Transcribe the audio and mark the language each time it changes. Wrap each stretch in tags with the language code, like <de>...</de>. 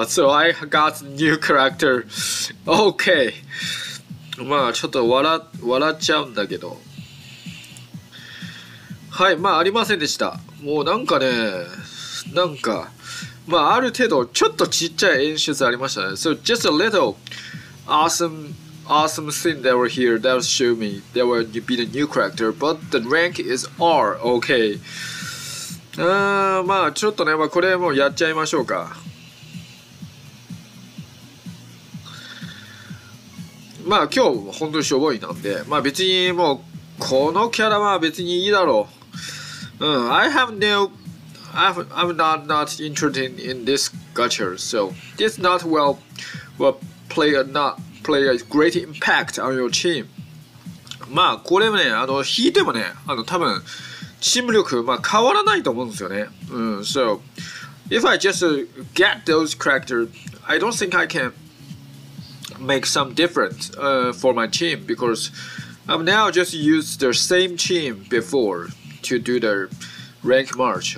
<en>So I got new character. Okay.</en> <ja>まあちょっと笑っちゃうんだけど。はい。まあありませんでした。もうなんかね、なんか、まあある程度ちょっとちっちゃい演出ありましたね。</ja> <en>So just a little awesome thing that were here that show me there will be the new character, but the rank is R. Okay.</en> <ja>まあちょっとね、まあ、これもやっちゃいましょうか。まあ今日本当にしょぼいなんで、まあ別にもうこのキャラは別にいいだろう。</ja> <en>うん、I'm not interested in this gacha, so this not will play a not play a great impact on your team.</en> <ja>まあこれもね、引いてもね、多分チーム力、まあ、変わらないと思うんですよね。</ja> <en>うん、So, if I just get those characters, I don't think I can make some difference, for my team, because I've now just used the same team before to do the rank march.</en>